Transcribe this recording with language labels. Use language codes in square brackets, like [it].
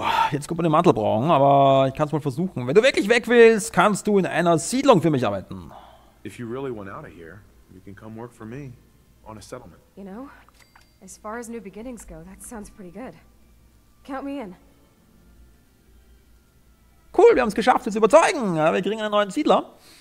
[de] Jetzt kommt man den Mantel brauchen, aber ich kann es mal versuchen. Wenn du wirklich weg willst, kannst du in einer Siedlung für mich arbeiten. [en] If you really want out of here, you can come work for me on a settlement. You know? As far as new beginnings go, that sounds pretty good. Count me in. [de] Cool, wir haben es geschafft, jetzt überzeugen. Wir kriegen einen neuen Siedler.